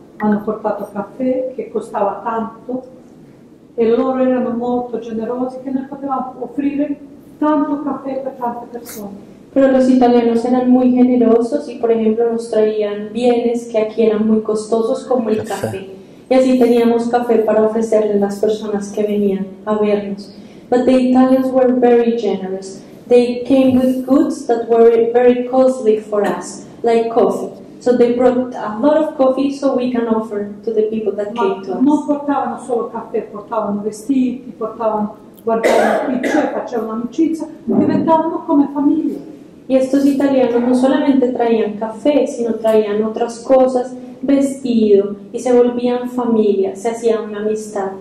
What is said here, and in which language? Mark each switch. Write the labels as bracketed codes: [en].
[it] Hanno portato caffè che costava tanto, e loro erano molto generosi che noi potevamo offrire tanto caffè per tante persone. [es] Pero los italianos eran muy generosos y, por ejemplo, nos traían bienes que aquí eran muy costosos, como el café. Y así teníamos café para ofrecerle a las personas que venían a vernos. [en] But the Italians were very generous. They came with goods that were very costly for us, like coffee. So they brought a lot of coffee so we can offer to the people that came to us. [it] Non portavano solo caffè, portavano vestiti, portavano, guardavano qui, cioè facevano amicizia, diventavano come famiglia. [es] Y estos italianos no solamente traían café, sino traían otras cosas, vestido, y se volvían familia, se hacían una amistad.